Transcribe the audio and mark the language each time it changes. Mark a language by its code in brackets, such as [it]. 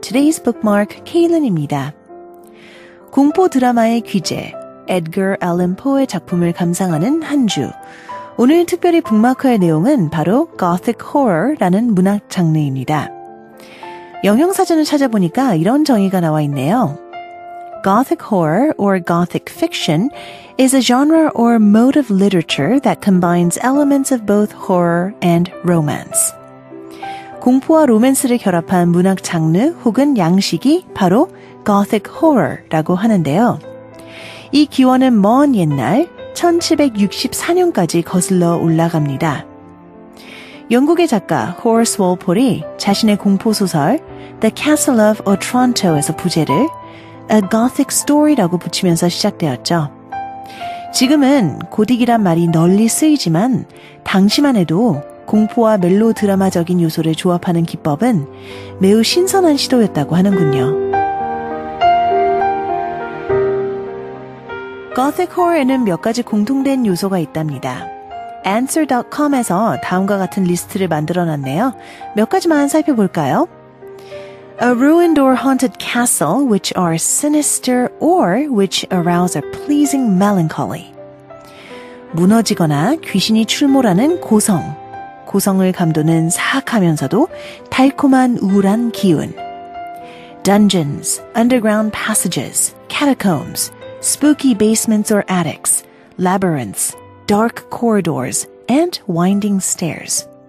[ko] 투데이스 북마크 케일린입니다. 공포 드라마의 귀재 Edgar Allan Poe의 작품을 감상하는 한 주. 오늘 특별히 북마크의 내용은 바로 Gothic Horror라는 문학 장르입니다. 영영사전을 찾아보니까 이런 정의가 나와 있네요. [en] Gothic Horror or Gothic Fiction is a genre or mode of literature that combines elements of both horror and romance. [ko] 공포와 로맨스를 결합한 문학 장르 혹은 양식이 바로 Gothic Horror라고 하는데요. 이 기원은 먼 옛날 1764년까지 거슬러 올라갑니다. 영국의 작가 호러스 월폴이 자신의 공포소설 The Castle of Otranto에서 부제를 A Gothic Story라고 붙이면서 시작되었죠. 지금은 고딕이란 말이 널리 쓰이지만 당시만 해도 공포와 멜로드라마적인 요소를 조합하는 기법은 매우 신선한 시도였다고 하는군요. Gothic Horror에는 몇 가지 공통된 요소가 있답니다. Answer.com에서 다음과 같은 리스트를 만들어놨네요. 몇 가지만 살펴볼까요? [en] A ruined or haunted castle which are sinister or which arouse a pleasing melancholy. [ko] 무너지거나 귀신이 출몰하는 고성. 고성을 감도는 사악하면서도 달콤한 우울한 기운. [en] Dungeons, underground passages, catacombs. Spooky basements or attics, labyrinths, dark corridors, and winding stairs.